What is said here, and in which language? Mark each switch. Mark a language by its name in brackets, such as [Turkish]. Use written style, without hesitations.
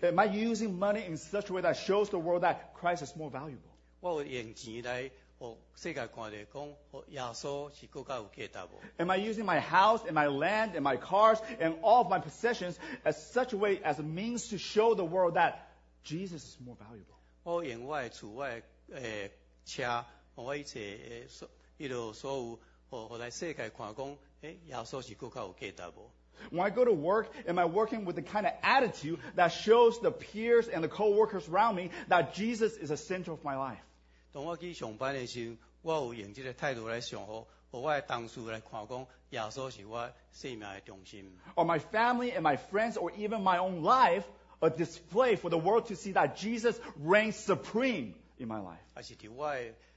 [English] Am I using money in such a way that shows the world that Christ is more valuable? [Min Nan Chinese] 我用钱来让世界看到，讲耶稣是更加有价值无？ [English] Am I using my house and my land and my cars and all of my possessions as such a way as a means to show the world that Jesus is more valuable? [Min Nan Chinese] 我用我的厝、我的车、我一切所有，互来世界看讲，耶稣是更加有价值无？ [English] When I go to work, am I working with the kind of attitude that shows the peers and the co-workers around me that Jesus is the center of my life? [Min Nan Chinese] 当我去上班的时候，我有用这个态度来上好。我的同事来看讲，耶稣是我生命的中心。 [English] Or my family and my friends or even my own life, a display for the world to see that Jesus reigns supreme in my life.